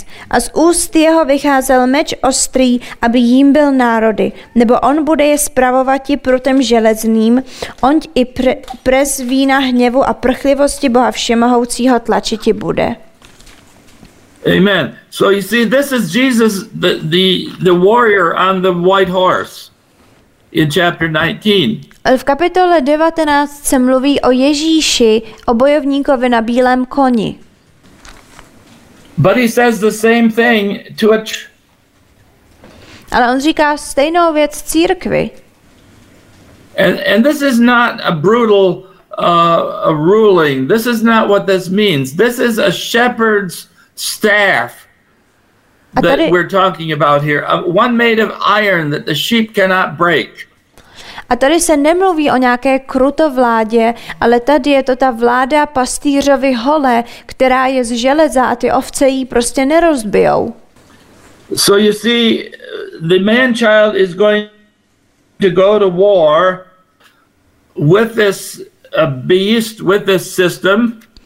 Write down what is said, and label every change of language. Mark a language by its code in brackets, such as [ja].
[cs] A z úst jeho vycházel meč ostrý, aby jím byl národy, nebo on bude je spravovati prutem železným, on i prez vína hněvu a prchlivosti Boha všemohoucího tlačiti bude. Amen. [en] So you see, this is Jesus, the warrior on the white horse in chapter 19. [cs] V kapitole 19 se mluví o Ježíši, o bojovníkovi na bílém koni. [en] But he says the same thing to a [cs] Ale on říká stejnou věc církvi. [en] And this is not a brutal a ruling. This is not what this means. This is a shepherd's staff that we're talking about here, one made of iron that the sheep cannot break. [cs] A tady se nemluví o nějaké krutovládě, ale tady je to ta vláda pastýřovi hole, která je z železa a ty ovce jí prostě nerozbijou. [en] So you see, the man child is going to go to war with this beast, with this system.